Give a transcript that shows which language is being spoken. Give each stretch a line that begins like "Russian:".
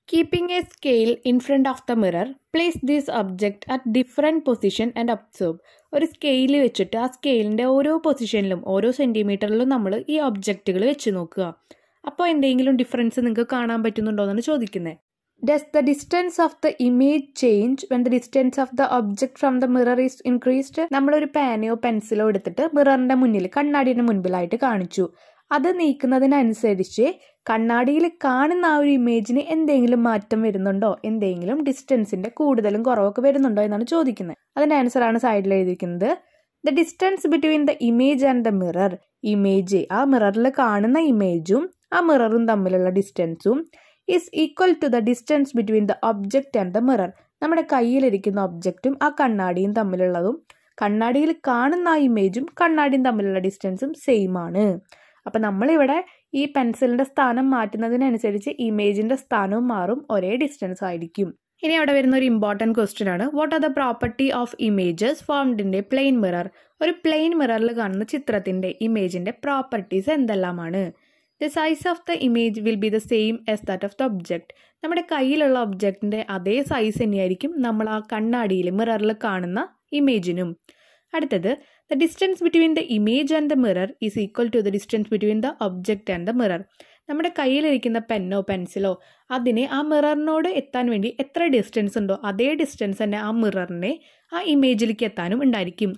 English: Keeping a scale in front of the mirror, place this object at different position and observe.
Malayalam: ഒരു scale വെച്ചിട്ട് ആ സ്കെയിലിന്റെ ഓരോ പൊസിഷനിലും ഓരോ സെന്റിമീറ്ററിലും നമ്മൾ ഈ ഒബ്ജക്റ്റുകൾ വെച്ച് നോക്കുക. അപ്പോൾ എന്തെങ്കിലും ഡിഫറൻസ് നിങ്ങൾക്ക് കാണാൻ പറ്റുന്നുണ്ടോ എന്നാണ് ചോദിക്കുന്നത്.
English: Does the distance of the image change when the distance of the object from the mirror is increased?
Malayalam: നമ്മളൊരു പേനയോ പെൻസിലോ എടുത്തിട്ട് മിററിൻ്റെ മുന്നിൽ കണ്ണാടിയുടെ മുൻപിലായിട്ട് കാണിച്ചു. അത് നീക്കുന്നതിനനുസരിച്ച് കണ്ണാടിയിൽ കാണുന്ന ആ ഒരു ഇമേജിന് എന്തെങ്കിലും മാറ്റം വരുന്നുണ്ടോ, എന്തെങ്കിലും ഡിസ്റ്റൻസിൻ്റെ കൂടുതലും കുറവൊക്കെ വരുന്നുണ്ടോ എന്നാണ് ചോദിക്കുന്നത്. അതിൻ്റെ ആൻസറാണ് സൈഡിൽ എഴുതിയിരിക്കുന്നത്.
English: the distance between the image and the mirror,
Malayalam: image ആ മിററിൽ കാണുന്ന ഇമേജും ആ മിററും തമ്മിലുള്ള ഡിസ്റ്റൻസും
English: is equal to the distance between the object and the mirror.
Malayalam: നമ്മുടെ കയ്യിലിരിക്കുന്ന ഒബ്ജക്റ്റും ആ കണ്ണാടിയും തമ്മിലുള്ളതും കണ്ണാടിയിൽ കാണുന്ന ആ ഇമേജും കണ്ണാടിയും തമ്മിലുള്ള ഡിസ്റ്റൻസും സെയിം ആണ്. അപ്പം നമ്മളിവിടെ ഈ പെൻസിലിൻ്റെ സ്ഥാനം മാറ്റുന്നതിനനുസരിച്ച് ഇമേജിൻ്റെ സ്ഥാനവും മാറും, ഒരേ ഡിസ്റ്റൻസ് ആയിരിക്കും. ഇനി അവിടെ വരുന്ന ഒരു ഇമ്പോർട്ടൻറ്റ് ക്വസ്റ്റ്യൻ ആണ്,
English: What are the property of images formed in a plane mirror.
Malayalam: ഒരു പ്ലെയിൻ മിററിൽ കാണുന്ന ചിത്രത്തിൻ്റെ ഇമേജിൻ്റെ പ്രോപ്പർട്ടീസ് എന്തെല്ലാമാണ്?
English: The size of the image will be the same as that of the object.
Malayalam: നമ്മുടെ കയ്യിലുള്ള ഒബ്ജക്റ്റിൻ്റെ അതേ സൈസ് തന്നെയായിരിക്കും നമ്മൾ ആ കണ്ണാടിയിൽ മിററിൽ കാണുന്ന ഇമേജിനും.
English: അടുത്തത്, the distance between the image and the mirror is equal to the distance between the object and the mirror.
Malayalam: നമ്മുടെ കയ്യിലിരിക്കുന്ന പെന്നോ പെൻസിലോ അതിനെ ആ മിററിനോട് എത്താൻ വേണ്ടി എത്ര ഡിസ്റ്റൻസ് ഉണ്ടോ അതേ ഡിസ്റ്റൻസ് തന്നെ ആ മിററിനെ ആ ഇമേജിലേക്ക് എത്താനും ഉണ്ടായിരിക്കും.